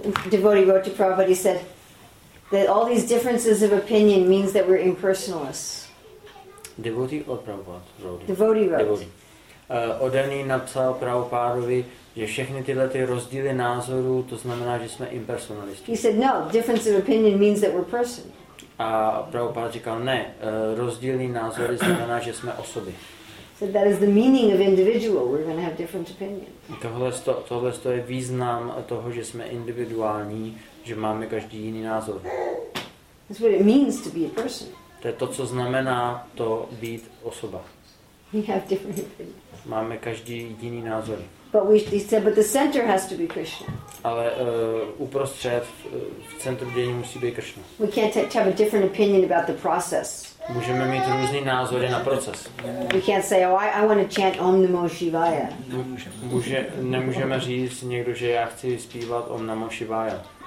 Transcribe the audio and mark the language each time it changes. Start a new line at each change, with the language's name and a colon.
English: Devotee wrote to Prabhupada, he said that all these differences of opinion means that we're impersonalists. Devotee or Prabhupada wrote? Devotee wrote. Devotee.
Czech: Oddaný napsal Prabhupádovi, že všechny tyhle ty rozdíly názorů, to znamená, že jsme impersonalisti.
English: He said no, difference of opinion means that we're person.
Czech: A Prabhupáda říkal ne, rozdílný názor znamená, že jsme osoby.
English: So that is the meaning of individual. We're going to have different opinions.
Czech: Tohle to je význam toho, že jsme individuální, že máme každý jiný názor.
English: That's what it means to be a person.
Czech: To je to, co znamená to být osoba.
English: We have different opinions.
Czech: Máme každý jiný názor.
English: But the center has to be Krishna.
Czech: Ale uprostřed v centru dění musí být Krishna.
English: We can't have a different opinion about the process.
Czech: Můžeme mít různý názory na proces.
English: We can't say, oh, I want to chant Om Namo Shivaya.
Czech: Nemůžeme říct někdo, že já chci zpívat Om Namo Shivaya.